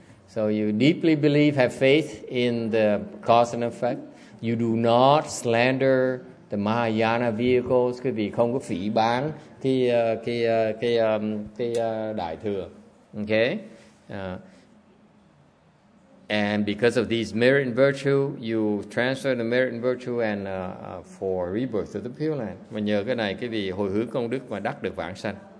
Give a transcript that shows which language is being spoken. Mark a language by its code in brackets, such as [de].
[en] So you deeply believe, have faith in the cause and effect. You do not slander the Mahayana vehicles. [vi] Quý vị không có phỉ báng cái đại thừa. [en] Okay. And because of these merit and virtue, you transfer the merit and virtue and for rebirth to the Pure Land. [vi] Mà nhờ cái này, quý vị hồi hướng công đức mà đắc được vãng sanh.